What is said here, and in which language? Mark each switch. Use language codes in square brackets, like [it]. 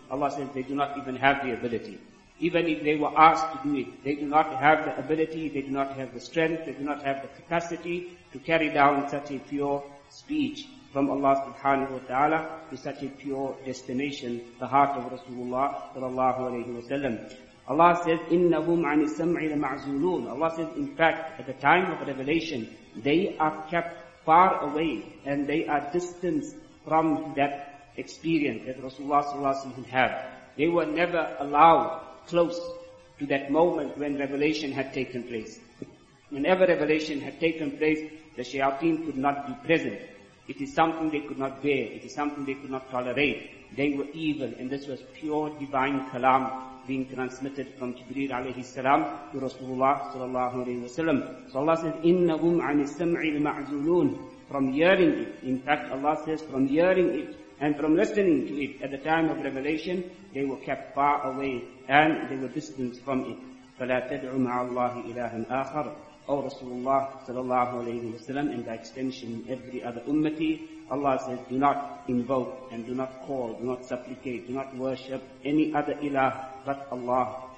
[en] Allah says they do not even have the ability. Even if they were asked to do it, they do not have the ability, they do not have the strength, they do not have the capacity to carry down such a pure speech from Allah subhanahu wa ta'ala to such a pure destination, the heart of Rasulullah sallallahu alayhi wa sallam. Allah says, [ar] إِنَّهُمْ عَنِ السَّمْعِ لَمَعْزُولُونَ. [en] Allah says, in fact, at the time of revelation, they are kept far away and they are distanced from that experience that Rasulullah sallallahu alayhi wa sallam had. They were never allowed close to that moment when revelation had taken place. Whenever revelation had taken place, the shayateen could not be present. It is something they could not bear. It is something they could not tolerate. They were evil, and this was pure divine kalam being transmitted from Jibreel alayhi salam to Rasulullah sallallahu alayhi wa sallam. So Allah says, [ar] إِنَّهُمْ عَنِ السَّمْعِ الْمَعْزُولُونَ. [en] From hearing it. In fact, Allah says, from hearing it and from listening to it at the time of revelation, they were kept far away and they were distanced from it. [ar] فَلَا تَدْعُ مَعَ اللَّهِ إِلَهًا آخَرَ. [en] O Rasulullah sallallahu alayhi wa sallam, and by extension every other ummati, Allah says, do not invoke and do not call, do not supplicate, do not worship any other ilah but Allah.